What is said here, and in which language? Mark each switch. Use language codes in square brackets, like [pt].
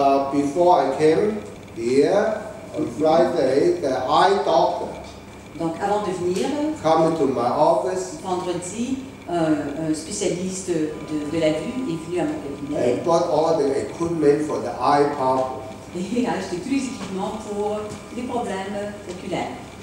[en] Before I came here on Friday, the eye doctor. [fr] Donc avant de venir, [en] coming to my office. [fr] Vendredi, un spécialiste de la vue est venu à mon cabinet. [en] I bought all the equipment for the eye problem. [fr] Et a acheté tous les équipements pour les problèmes oculaires.